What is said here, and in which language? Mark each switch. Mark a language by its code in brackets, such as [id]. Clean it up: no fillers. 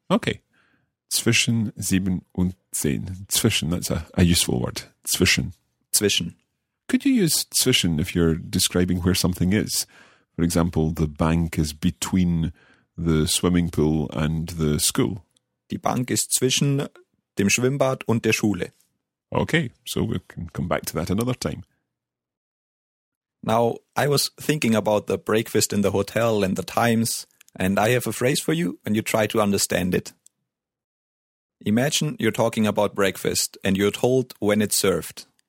[de] Okay. Zwischen 7 und 10. [en] Zwischen, that's a useful word. Zwischen. [de] Zwischen. [en] Could you use zwischen if you're describing where something is? For example, the bank is between the swimming pool and the school. [de] Die Bank ist zwischen dem Schwimmbad und der Schule. [en] Okay, so we can come back to that another time. Now, I was thinking about the breakfast in the hotel and the times, and I have a phrase for you, and you try to understand it. Imagine you're talking about breakfast, and you're told when it's served.